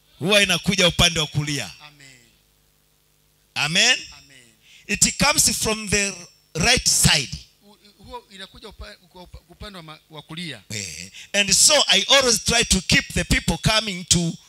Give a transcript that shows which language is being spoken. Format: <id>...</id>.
<sw>huwa inakuja upande wa kulia. Amen.</sw> <en>It comes from the right side.</en> <sw>Huo inakuja upande wa kulia.</sw> <en>And so I always try to keep the people coming to</en>